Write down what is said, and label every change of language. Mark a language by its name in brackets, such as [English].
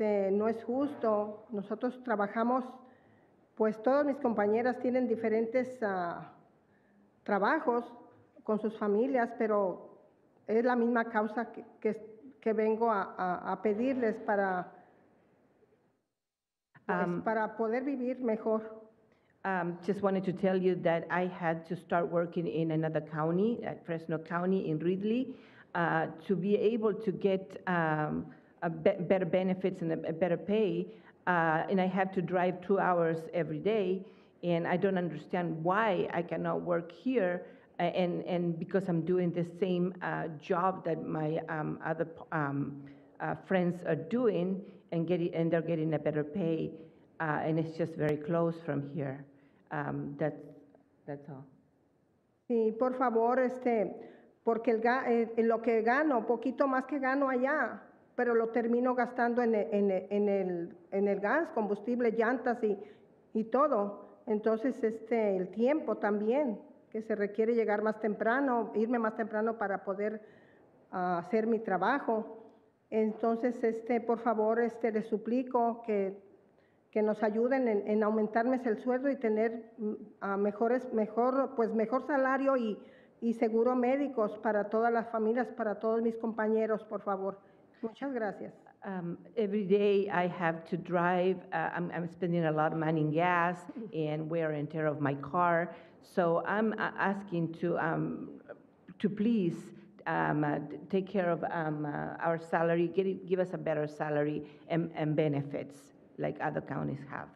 [Spanish] No es justo. Nosotros trabajamos, pues todas mis compañeras tienen diferentes trabajos con sus familias, pero es la misma causa que vengo a pedirles para para poder vivir mejor. [English] Just wanted to tell you that I had to start working in another county, at Fresno County in Ridley, to be able to get better benefits and a better pay. And I have to drive 2 hours every day, and I don't understand why I cannot work here. And because I'm doing the same job that my other friends are doing, and they're getting a better pay, and it's just very close from here. That's all. [Spanish] Sí, por favor, porque el, lo que gano, poquito más que gano allá, pero lo termino gastando en el gas, combustible, llantas y todo. Entonces, el tiempo también, que se requiere llegar más temprano, irme más temprano para poder hacer mi trabajo. Entonces, por favor, le suplico que nos ayuden en aumentarme el sueldo y tener mejor salario y seguro médicos para todas las familias, para todos mis compañeros, por favor. Muchas gracias. [English] Every day I have to drive. I'm spending a lot of money in gas and wear and tear of my car. So I'm asking to please take care of our salary, give us a better salary and benefits like other counties have.